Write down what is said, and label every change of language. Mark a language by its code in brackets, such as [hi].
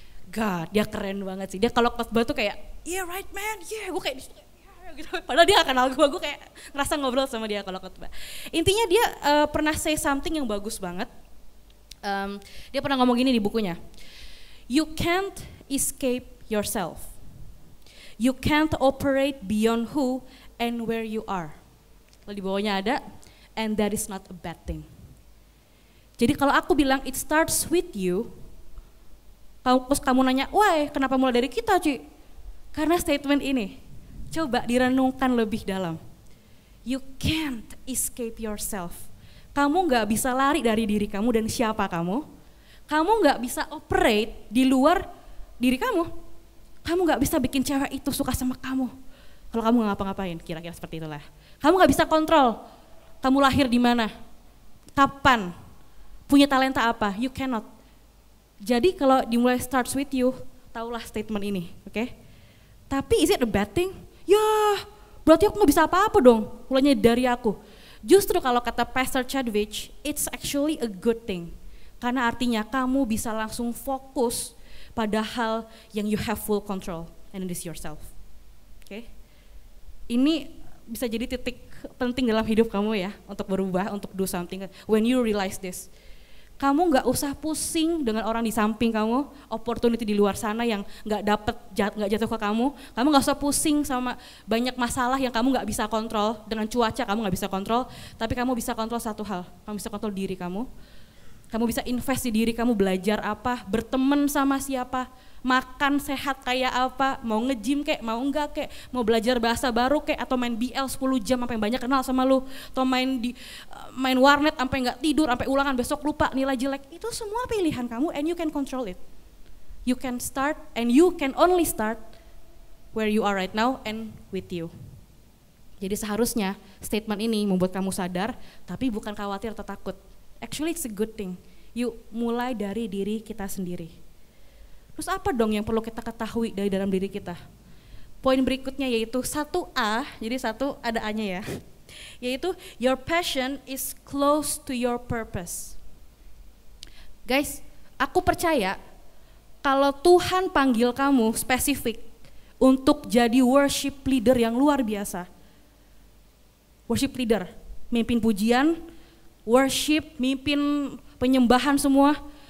[id] God, dia keren banget sih. Dia kalau khotbah tuh kayak [en] yeah right man, yeah, [id] gue kayak gitu. Padahal dia gak kenal gue kayak ngerasa ngobrol sama dia kalau khotbah. Intinya dia pernah [en] say something [id] yang bagus banget. Dia pernah ngomong gini di bukunya. [en] You can't escape yourself. You can't operate beyond who and where you are. [id] Lalu di bawahnya ada, [en] and that is not a bad thing. [id] Jadi kalau aku bilang [en] it starts with you, [id] terus kamu nanya, [en] why, [id] kenapa mulai dari kita, Ci? Karena statement ini, coba direnungkan lebih dalam. [en] You can't escape yourself. [id] Kamu gak bisa lari dari diri kamu dan siapa kamu. Kamu gak bisa [en] operate [id] di luar diri kamu. Kamu gak bisa bikin cewek itu suka sama kamu kalau kamu gak ngapa-ngapain, kira-kira seperti itulah. Kamu gak bisa kontrol kamu lahir di mana, kapan, punya talenta apa. [en] You cannot. [id] Jadi kalau dimulai [en] starts with you, [id] taulah statement ini, oke? Tapi [en] is it a bad thing? [id] Yah, berarti aku gak bisa apa-apa dong, mulainya dari aku. Justru kalau kata Pastor Chadwick, [en] it's actually a good thing. [id] Karena artinya kamu bisa langsung fokus pada hal yang [en] you have full control, and it is yourself. [id] Oke? [en] Okay? [id] Ini bisa jadi titik penting dalam hidup kamu ya, untuk berubah, untuk [en] do something, when you realize this. [id] Kamu gak usah pusing dengan orang di samping kamu, opportunity di luar sana yang gak dapet, gak jatuh ke kamu. Kamu gak usah pusing sama banyak masalah yang kamu gak bisa kontrol, dengan cuaca kamu gak bisa kontrol, tapi kamu bisa kontrol satu hal, kamu bisa kontrol diri kamu. Kamu bisa invest di diri kamu, belajar apa, berteman sama siapa, makan sehat kayak apa, mau nge-gym kek, mau enggak kek, mau belajar bahasa baru kek, atau main BL 10 jam sampai banyak kenal sama lu, atau main warnet sampai enggak tidur, sampai ulangan besok lupa nilai jelek. Itu semua pilihan kamu [en] and you can control it. You can start and you can only start where you are right now and with you. [id] Jadi seharusnya statement ini membuat kamu sadar, tapi bukan khawatir atau takut. [en] Actually it's a good thing. [id] Yuk mulai dari diri kita sendiri. Terus apa dong yang perlu kita ketahui dari dalam diri kita? Poin berikutnya yaitu 1A, jadi 1 ada A-nya ya. [en] Yaitu your passion is close to your purpose. [id] Guys, aku percaya kalau Tuhan panggil kamu spesifik untuk jadi worship leader yang luar biasa. Worship leader, memimpin pujian, worship, mimpin penyembahan semua.